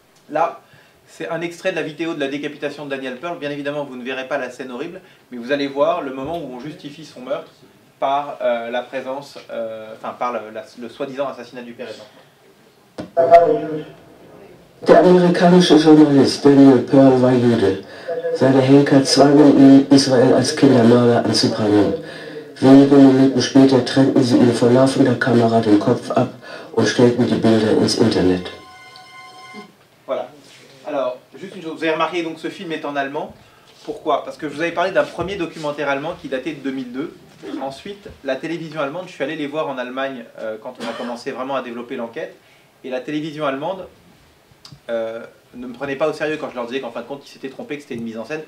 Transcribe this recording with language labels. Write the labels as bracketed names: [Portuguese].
[French] Là, c'est un extrait de la vidéo de la décapitation de Daniel Pearl. Bien évidemment, vous ne verrez pas la scène horrible, mais vous allez voir le moment où on justifie son meurtre par la présence, enfin par le soi-disant assassinat du père et de l'enfant. [German] Der amerikanische Journalist Daniel Pearl war Jude. Seine Henker zwangen ihn, Israel als Kindermörder anzuprangern. Wenige Minuten später trennten sie ihm vor laufender Kamera den Kopf ab und stellten die Bilder ins Internet. [French] Vous avez remarqué donc ce film est en allemand. Pourquoi? Parce que je vous avais parlé d'un premier documentaire allemand qui datait de 2002. Ensuite, la télévision allemande, je suis allé les voir en Allemagne quand on a commencé vraiment à développer l'enquête. Et la télévision allemande ne me prenait pas au sérieux quand je leur disais qu'en fin de compte, ils s'étaient trompés, que c'était une mise en scène.